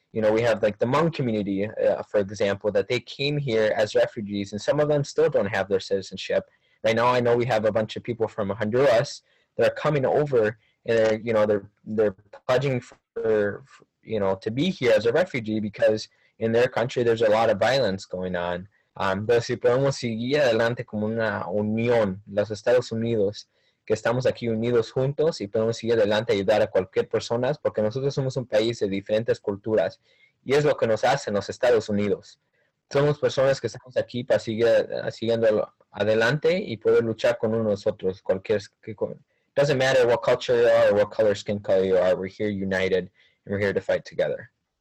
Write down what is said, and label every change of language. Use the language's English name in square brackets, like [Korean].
[English] You know, we have like the Hmong community, for example, that they came here as refugees, and some of them still don't have their citizenship. Right now, I know we have a bunch of people from Honduras that are coming over, and they're, you know, they're pledging for, you know, to be here as a refugee because in their country, there's a lot of violence going on. [Spanish] Pero si podemos seguir adelante como una unión, los Estados Unidos, que estamos aquí unidos juntos y podemos seguir adelante y ayudar a cualquier persona, porque nosotros somos un país de diferentes culturas y es lo que nos hace los Estados Unidos. Somos personas que estamos aquí para seguir siguiendo adelante y poder luchar con uno de nosotros. [English] It doesn't matter what culture you are or what color skin color you are, we're here united and we're here to fight together.